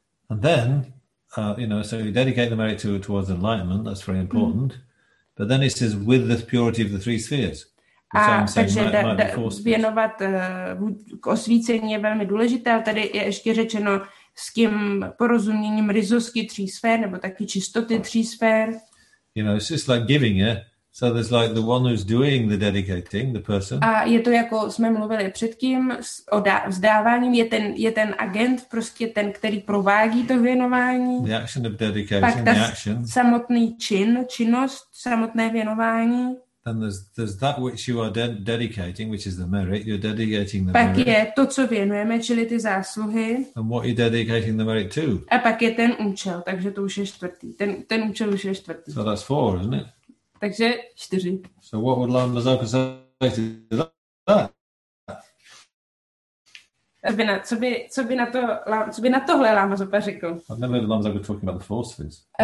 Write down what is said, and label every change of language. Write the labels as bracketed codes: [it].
[en] And then, you know, so you dedicate the merit to towards enlightenment. That's very important. But then it says with the purity of the three spheres. [cs] A takže věnovat k osvícení je velmi důležité, ale tady je ještě řečeno s tím porozuměním rizosky tří sfér, nebo taky čistoty tří sfér. [en] You know, it's just like giving, yeah? So there's like the one who's doing the dedicating, the person. [cs] A je to jako jsme mluvili předtím, s vzdáváním, je ten agent, prostě ten, který provádí to věnování. [en] The action of dedication, the action. [cs] Samotný čin, činnost, samotné věnování. [en] And there's that which you are dedicating, which is the merit. You're dedicating the [cs] pak [en] merit. [cs] Pak je to, co věnujeme, čili ty zásluhy. [en] And what you're dedicating the merit to. [cs] A pak je ten účel, takže to už je čtvrtý. Ten účel už je čtvrtý. [en] So that's four, isn't it? [cs] Takže čtyři. [en] So what would Lama Zoka say to that? [cs] Co by na tohle Lama Zopa řekl? [en] I've never heard Lama Zopa talking about the four spheres.